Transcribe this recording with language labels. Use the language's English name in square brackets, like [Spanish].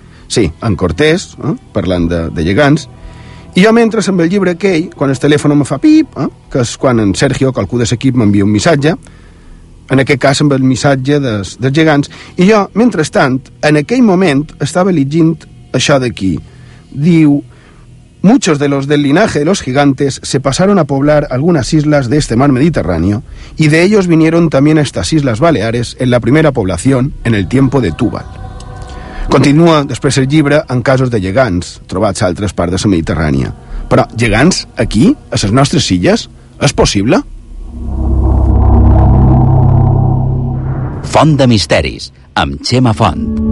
[Catalan] Sí, en Cortés, parlant de llegants. I jo mentre amb el llibre aquell, quan el telèfon em fa pip, que és quan en Sergio, qualcú de l'equip, m'envia un missatge, en aquest cas amb el missatge dels gegants, i jo, mentrestant, en aquell moment estava llegint això d'aquí. [Spanish] Diu: muchos de los del linaje de los gigantes se pasaron a poblar algunas islas de este mar Mediterráneo, y de ellos vinieron también estas islas Baleares en la primera población, en el tiempo de Túbal. [Catalan] Continua després el llibre en casos de llegants trobats a altres parts de la Mediterrània. Però llegants aquí, a les nostres illes, és possible? Font de Misteris, amb Txema Font.